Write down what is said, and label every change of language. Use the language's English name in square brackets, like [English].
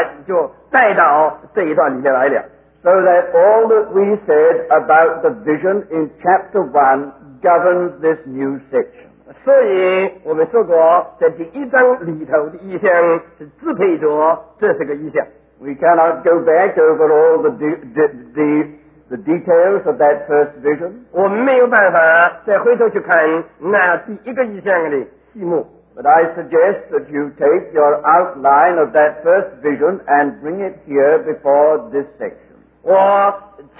[Chinese] 这里给我们看见，这里的话是说到，在头三章所看见的意象，就带到这一段里面来了。 [English] So that all that we said about the vision in chapter 1 governs this new section. [Chinese] 所以我们说过，在第一章里头的意象是支配着这四个意象。 [English] We cannot go back over all the details of that first vision. [Chinese] 我们没有办法再回头去看那第一个意象的细目。 [English] But I suggest that you take your outline of that first vision and bring it here before this section.